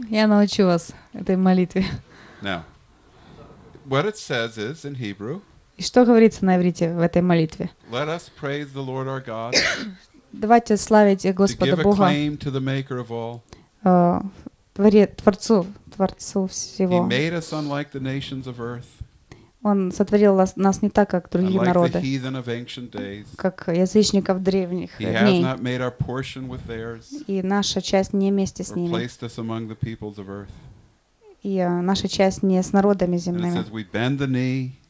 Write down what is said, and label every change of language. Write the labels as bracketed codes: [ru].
[ru] Я научу вас этой молитве. [en] Now, what it says is in Hebrew. [ru] И что говорится на иврите в этой молитве? [en] Let us praise the Lord our God, [ru] давайте славить Господа Бога, Творцу всего. [en] He made us unlike the nations of earth, [ru] он сотворил нас не так, как другие [en] unlike [ru] народы, [en] the heathen of ancient days, [ru] как язычников древних [en] he [ru] дней. [en] Has not made our portion with theirs, [ru] и наша часть не вместе с ними. [en] Placed us among the peoples of earth. [ru] И наша часть не с народами земными. [en] And it says, we bend the knee,